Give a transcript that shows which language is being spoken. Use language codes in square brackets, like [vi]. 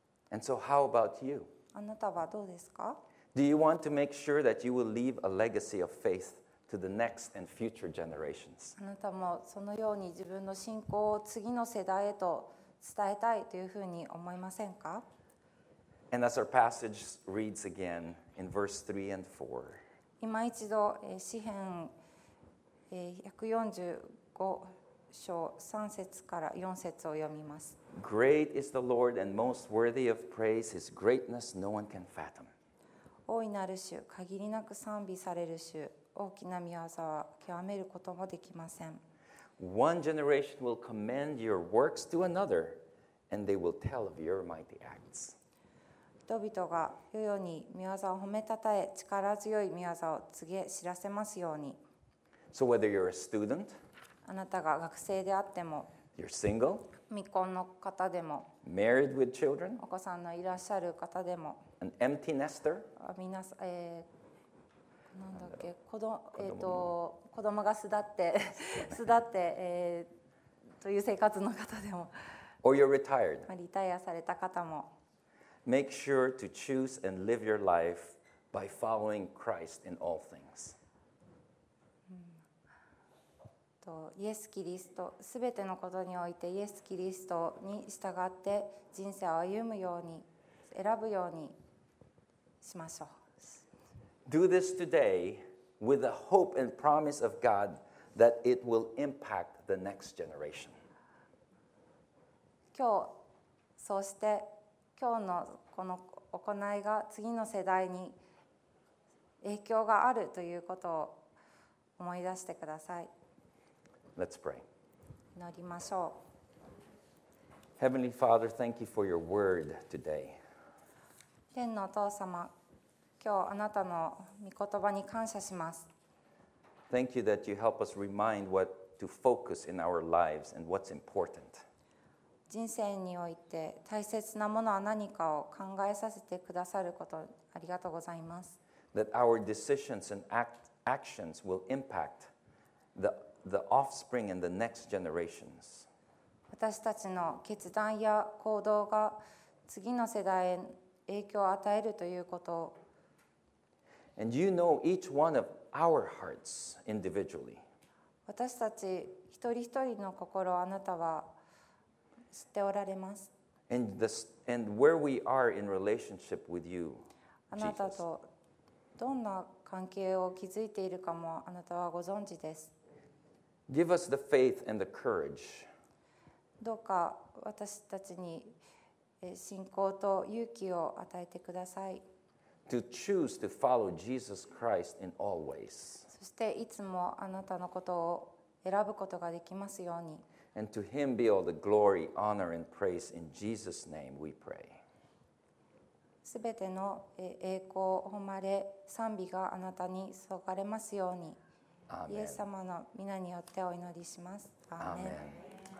[en] And so how about you? [ja] あなたはどうですか？ [en] Do you want to make sure that you will leave a legacy of faith to the next and future generations? [ja] あなたもそのように自分の信仰を次の世代へと伝えたいというふうに思いませんか？ [en] And as our passage reads again in verse 3 and 4, [ja] 今一度詩編145章3節から4節を読みます。 [en] Great is the Lord and most worthy of praise. His greatness no one can fathom. [ja] 大いなる主、限りなく賛美される主、大きな御業は極めることもできません。 [en] One generation will commend your works to another, and they will tell of your mighty acts. [ja] 人々が世々に御業を褒めたたえ、力強い御業を告げ知らせますように。 [en] So whether you're a student, [ja] あなたが学生であっても、 [en] you're single, [ja] 未婚の方でも、 [en] married with children, [ja] お子さんのいらっしゃる方でも、 [en] an empty nester, [ja] 皆さん、なんだっけ、子供が巣立って、という生活の方でも、 [en] or you're retired, [ja] リタイアされた方も、 [en] make sure to choose and live your life by following Christ in all things. [ja] イエス・キリスト、すべてのことにおいてイエス・キリストに従って人生を歩むように、選ぶようにしましょう。 [en] Do this today with the hope and promise of God that it will impact the next generation. [ja] 今日、そして今日のこの行いが次の世代に影響があるということを思い出してください。 [en] Let's pray. [ja] 祈りましょう。 [en] Heavenly Father, thank you for your word today. [ja] 天のお父様、今日あなたの御言葉に感謝します。 [en] Thank you that you help us remind what to focus in our lives and what's important. [ja] 人生において大切なものは何かを考えさせてくださることありがとうございます。 [en] That our decisions and actions will impact the offspring and the next generations. [ja] 私たちの決断や行動が次の世代へ影響を与えるということを。 [en] And you know each one of our hearts individually. [ja] 私たち一人一人の心をあなたは知っておられます。 [en] And where we are in relationship with you, Jesus. [ja] あなたとどんな関係を築いているかもあなたはご存知です。 [en] Give us the faith and the courage. [ja] どうか私たちに信仰と勇気を与えてください。 [en] To choose to follow Jesus Christ in all ways. [ja] そしていつもあなたのことを選ぶことができますように。 [en] And to him be all the glory, honor, and praise in Jesus' name we pray. [ja] すべての栄光、誉れ、賛美があなたに注がれますように。イエス様の御名によってお祈りします。アーメン。